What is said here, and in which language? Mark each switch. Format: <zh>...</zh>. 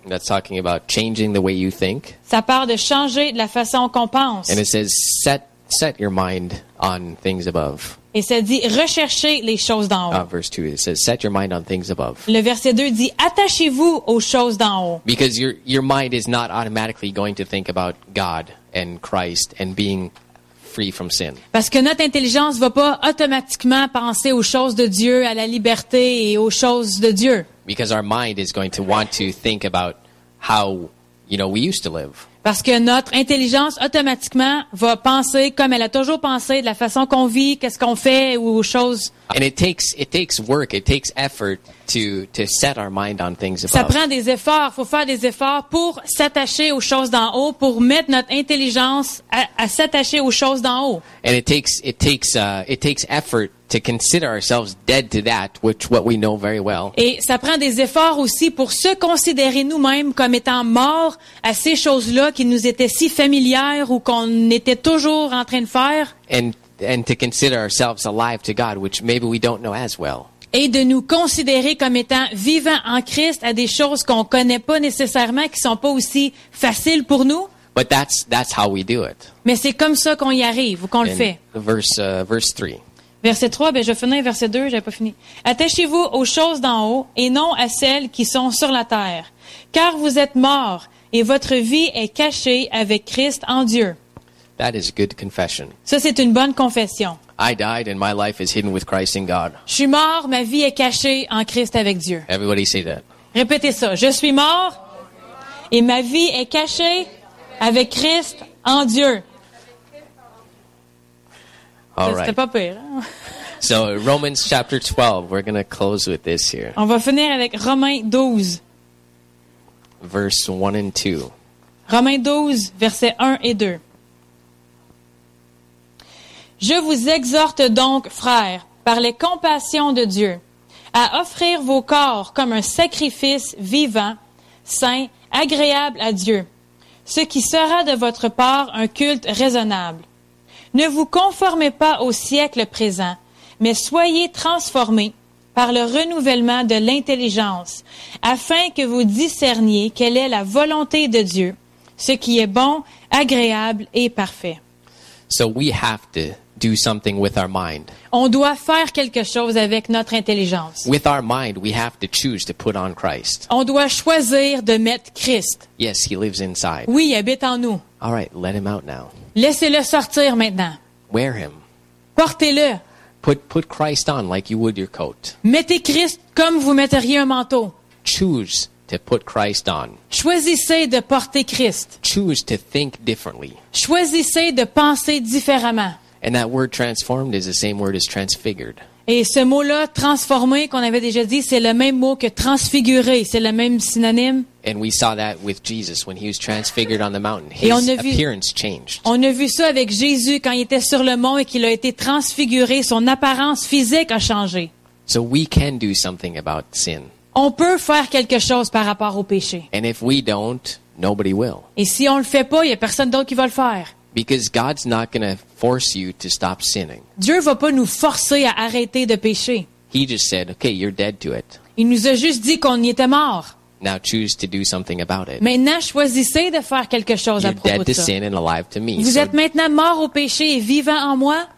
<en>That's talking about changing the way you think.</en> <fr>Ça parle de changer la façon qu'on pense.</fr> <en>And it says, set your mind on things above.</en> <fr>Et ça dit, recherchez les choses d'en haut.</fr> <en>Verse 2, it says, set your mind on things above.</en> <fr>Le verset 2 dit, attachez-vous aux choses d'en haut.</fr> <en>Because your mind is not automatically going to think about God and Christ and being free from sin.</en> <fr>Parce que notre intelligence ne va pas automatiquement penser aux choses de Dieu, à la liberté et aux choses de Dieu.</fr> <en>Because our mind is going to want to think about how, you know, we used to live.</en> <fr>Parce que notre intelligence automatiquement va penser comme elle a toujours pensé, de la façon qu'on vit, qu'est-ce qu'on fait ou aux choses.</fr> <en>And it takes work, it takes effort to set our mind on things above.</en> <fr>Ça prend des efforts, faut faire des efforts pour s'attacher aux choses d'en haut, pour mettre notre intelligence à s'attacher aux choses d'en haut.</fr> <en>And it takes effort to consider ourselves dead to that, which what we know very well.</en> <fr>Et ça prend des efforts aussi pour se considérer nous-mêmes comme étant morts à ces choses-là qui nous étaient si familières ou qu'on était toujours en train de faire.</fr> <en>And to consider ourselves alive to God, which maybe we don't know as well.</en> <fr>Et de nous considérer comme étant vivants en Christ à des choses qu'on connaît pas nécessairement, qui sont pas aussi faciles pour nous.</fr> <en>But that's how we do it.</en> <fr>Mais c'est comme ça qu'on y arrive, ou qu'on le fait.</fr> <en>Verse 3.</en> <fr>Verset 3, ben je finis, verset 2, j'avais pas fini. Attachez-vous aux choses d'en haut et non à celles qui sont sur la terre. Car vous êtes morts et votre vie est cachée avec Christ en Dieu.</fr> <en>That is a good confession.</en> <fr>Ça, c'est une bonne confession.</fr> <en>I died and my life is hidden with Christ in God.</en> <fr>Je suis mort, ma vie est cachée en Christ avec Dieu.</fr> <en>Everybody say that.</en> <fr>Répétez ça. Je suis mort et ma vie est cachée avec Christ en Dieu.</fr> <en>All right.</en> <fr>C'était pas pire, hein?</fr> <en>So Romans chapter 12, we're going to close with this here.</en> <fr>On va finir avec Romains 12.</fr> <en>Verse 1 and 2.</en> <fr>Romains 12, versets 1 et 2. Je vous exhorte donc, frères, par les compassions de Dieu, à offrir vos corps comme un sacrifice vivant, saint, agréable à Dieu, ce qui sera de votre part un culte raisonnable. Ne vous conformez pas au siècle présent, mais soyez transformés par le renouvellement de l'intelligence, afin que vous discerniez quelle est la volonté de Dieu, ce qui est bon, agréable et parfait.</fr> <en>So we have to do something with our mind.</en> <fr>On doit faire quelque chose avec notre intelligence.</fr> <en>With our mind, we have to choose to put on Christ.</en> <fr>On doit choisir de mettre Christ.</fr> <en>Yes, he lives inside.</en> <fr>Oui, il habite en nous.</fr> <en>All right, let him out now.</en> <fr>Laissez-le sortir maintenant.</fr> <en>Wear him.</en> <fr>Portez-le.</fr> <en>Put Christ on like you would your coat.</en> <fr>Mettez Christ comme vous metteriez un manteau.</fr> <en>Choose to put Christ on.</en> <fr>Choisissez de porter Christ.</fr> <en>Choose to think differently.</en> <fr>Choisissez de penser différemment.</fr> <en>And that word transformed is the same word as transfigured.</en> <fr>Et ce mot-là, transformé, qu'on avait déjà dit, c'est le même mot que transfiguré. C'est le même synonyme.</fr> <en>And we saw that with Jesus when he was transfigured on the mountain. His appearance changed.</en> <fr>On a vu ça avec Jésus quand il était sur le mont et qu'il a été transfiguré. Son apparence physique a changé.</fr> <en>So we can do something about sin.</en> <fr>On peut faire quelque chose par rapport au péché.</fr> <en>And if we don't, nobody will.</en> <fr>Et si on le fait pas, il y a personne d'autre qui va le faire.</fr> <en>Because God's not going to force you to stop sinning.</en> <fr>Dieu va pas nous forcer à arrêter de pécher.</fr> <en>He just said, "Okay, you're dead to it."</en> <fr>Il nous a juste dit qu'on y était mort.</fr> <en>Now choose to do something about it.</en> <fr>Maintenant, choisissez de faire quelque chose</fr> <en>you're</en> <fr>à propos de ça.</fr> <en>Dead to sin and alive to me.</en> <fr>Vous êtes maintenant mort au péché et vivant en moi.</fr>